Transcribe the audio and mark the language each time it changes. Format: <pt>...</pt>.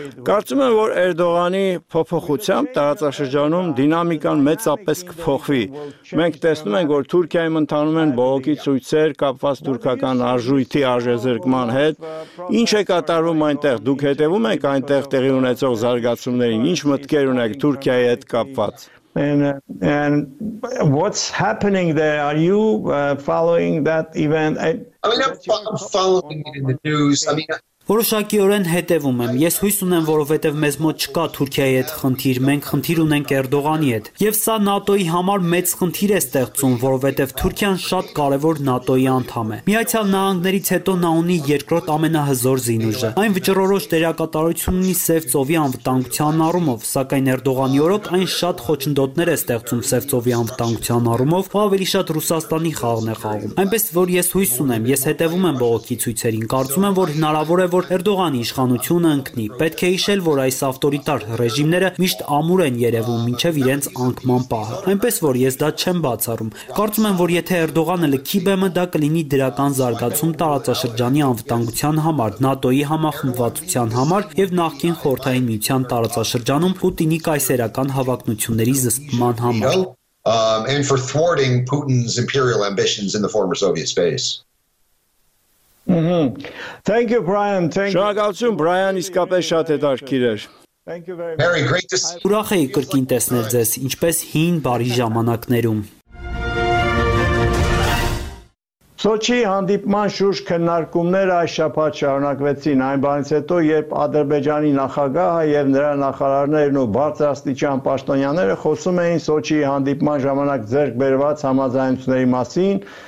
<hy>Կարծում եմ, որ Էրդողանի փոփոխությամբ տարածաշրջանում դինամիկան մեծապես կփոխվի։ Մենք տեսնում ենք, որ Թուրքիայում ընթանում են բողոքի ցույցեր կապված թուրքական արժույթի արժեզրկման հետ։ Ինչ է կատարվում այնտեղ, դուք հետևում եք այնտեղ տեղի ունեցող զարգացումներին, ինչ մտքեր ունեք Թուրքիայի հետ կապված։</hy> <en>And what's happening there? Are you following that event? I'm following it in the news.</en> <hy>Որոշակիորեն հետևում եմ։ Ես հույս ունեմ, որովհետև մեզ մոտ չկա Թուրքիայի հետ խնդիր, մենք խնդիր ունենք Էրդողանի հետ։ Եվ սա ՆԱՏՕ-ի համար մեծ խնդիր է ստեղծում, որովհետև Թուրքիան շատ կարևոր ՆԱՏՕ-ի անդամ է։ Միացյալ Նահանգներից հետո նա ունի երկրորդ ամենահզոր զինուժը։ Այն վճռորոշ դերակատարություն ունի Սև ծովի անվտանգության առումով, սակայն Էրդողանի օրոք այն շատ խոչընդոտներ է ստեղծում Սև ծովի անվտանգության առումով, ու ավելի շատ Ռուսաստանի խաղն է խաղում։ Այնպես որ ես հույս ունեմ, ես հետևում եմ բողոքի ցույցերին, կարծում եմ, որ հնարավոր է, որ Էրդողանի իշխանությունը ընկնի։ Պետք է հիշել, որ այս ավտորիտար ռեժիմները միշտ ամուր են երևում մինչև իրենց անկման պահը։ Այնպես որ ես դա չեմ բացառում։ Կարծում եմ, որ եթե Էրդողանը լքի բեմը, դա կլինի դրական զարգացում տարածաշրջանի անվտանգության համար, ՆԱՏՕ-ի համախմբվածության համար և նախկին խորհրդային միության տարածաշրջանում Պուտինի կայսերական հավակնությունների զսպման համար։</hy> <en>And for thwarting Putin's imperial ambitions in the former Soviet space. Thank you, Brian. Thank you.</en> <hy>Շնորհակալություն, Brian, իսկապես շատ հետաքրքիր էր։</hy> <en>Thank you very much.</en> <hy>Ուրախ եի կրկին տեսնել ձեզ, ինչպես հին բարի ժամանակներում։ Սոչի հանդիպման շուրջ քննարկումները այս շաբաթ շարունակվեցին, այն բանից հետո, երբ Ադրբեջանի նախագահը և նրա նախարարներն ու բարձրաստիճան պաշտոնյաները խոսում էին Սոչիի հանդիպման ժամանակ ձեռք բերված համաձայնությունների մասին,</hy>